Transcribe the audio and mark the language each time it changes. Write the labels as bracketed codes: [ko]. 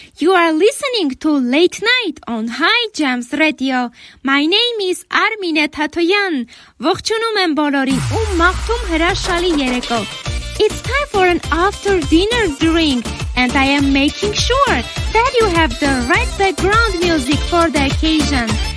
[en] You are listening to Late Night on Hye Jams Radio. My name is Armine Tatoyan. [hy] Ողջունում եմ բոլորին ու մաղթում հրաշալի երեկով. [en] It's time for an after dinner drink, and I am making sure that you have the right background music for the occasion.